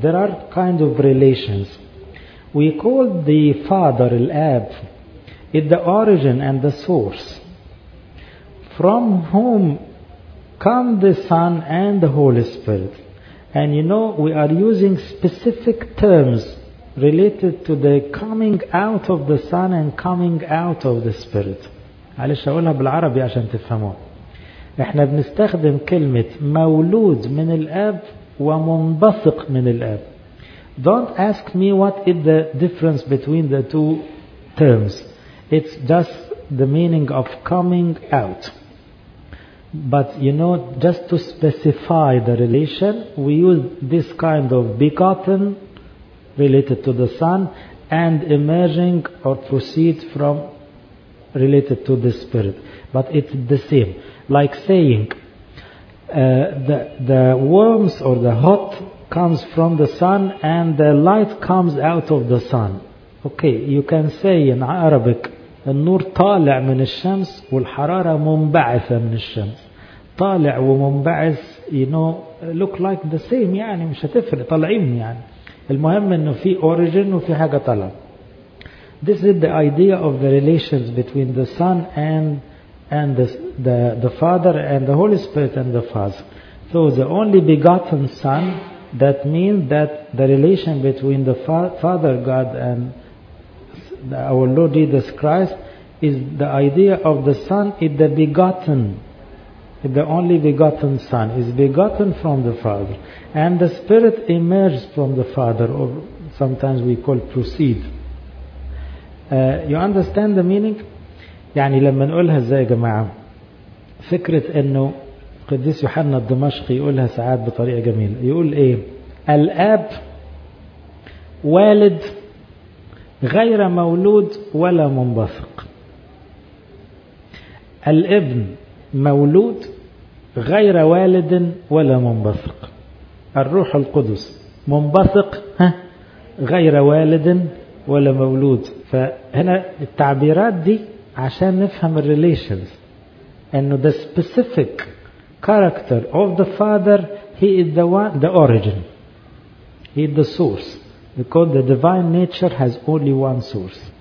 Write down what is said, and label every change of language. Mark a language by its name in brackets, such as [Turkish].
[English] There are kind of relations. We call the Father, Al-Ab, it the origin and the source, from whom come the Son and the Holy Spirit. And you know, we are using specific terms related to the coming out of the Son and coming out of the Spirit. [Arabic] معلش اقولها بالعربي عشان تفهموها. احنا بنستخدم كلمة مولود من الاب ومنبثق من الاب. [English] Don't ask me what is the difference between the two terms. It's just the meaning of coming out. But you know, just to specify the relation, we use this kind of begotten related to the Son and emerging or proceed from related to the Spirit. But it's the same. Like saying the warmth or the hot comes from the Sun and the light comes out of the Sun. Okay, you can say in Arabic, [Arabic] النور طالع من الشمس والحرارة منبعثة من الشمس. طالع ومنبعث, [English] you know, look like the same, [Arabic] يعني مش هتفرق, طالعين يعني. المهم انه في origin وفي حاجة طالع. [English] This is the idea of the relations between the Son and the Father and the Holy Spirit and the Father. So the only begotten Son, that means that the relation between the Father God and our Lord Jesus Christ is the idea of the Son is the begotten, the only begotten Son is begotten from the Father, and the Spirit emerges from the Father, or sometimes we call proceed. You understand the meaning? [Arabic] يعني لما نقولها ازاي يا جماعة, فكرة انه قديس يوحنا الدمشقي يقولها ساعات بطريقة جميلة, يقول ايه, الاب والد غير مولود ولا منبثق. الابن مولود غير والد ولا منبثق. الروح القدس منبثق غير والد ولا مولود. فهنا التعبيرات دي عشان نفهم الريليشنز, انه [English] the specific character of the Father, he is the one, the origin, he is the source, because the divine nature has only one source.